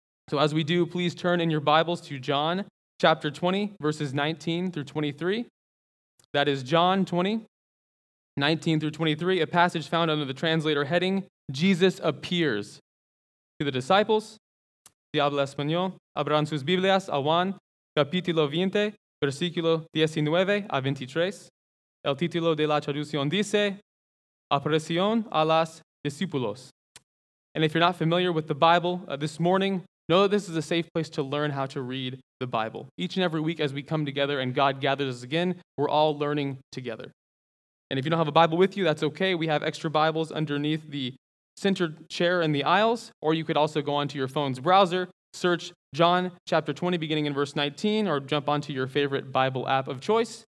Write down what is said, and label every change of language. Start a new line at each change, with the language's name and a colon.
English: So as we do, please turn in your Bibles to John chapter 20, verses 19 through 23. That is John 20, 19 through 23, a passage found under the translator heading, Jesus appears to the disciples.
Spanish: Si habla español, abran sus Biblias a Juan, capítulo 20, versículo 19 a 23. El título de la traducción dice, Aparición a los discípulos.
English: And if you're not familiar with the Bible this morning, know that this is a safe place to learn how to read the Bible. Each and every week as we come together and God gathers us again, we're all learning together. And if you don't have a Bible with you, that's okay. We have extra Bibles underneath the center chair in the aisles, or you could also go onto your phone's browser, search John chapter 20, beginning in verse 19, or jump onto your favorite Bible app of choice.